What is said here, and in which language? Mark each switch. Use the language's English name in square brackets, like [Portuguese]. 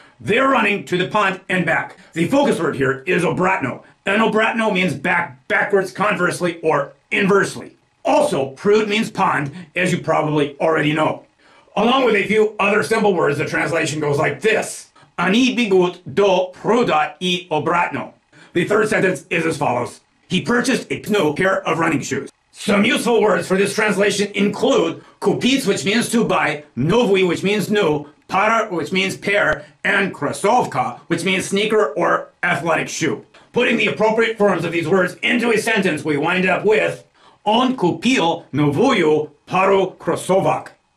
[English] They're running to the pond and back. The focus word here is обратно, and обратно means back, backwards, conversely, or inversely. Also, пруд means pond, as you probably already know. Along with a few other simple words, the translation goes like this. [Russian] Они бегут до пруда и обратно. [English] The third sentence is as follows. He purchased a new pair of running shoes. Some useful words for this translation include купить, which means to buy, новый, which means new, пара, which means pair, and кроссовка, which means sneaker or athletic shoe. Putting the appropriate forms of these words into a sentence, we wind up with [Russian] он купил новую пару кроссовок.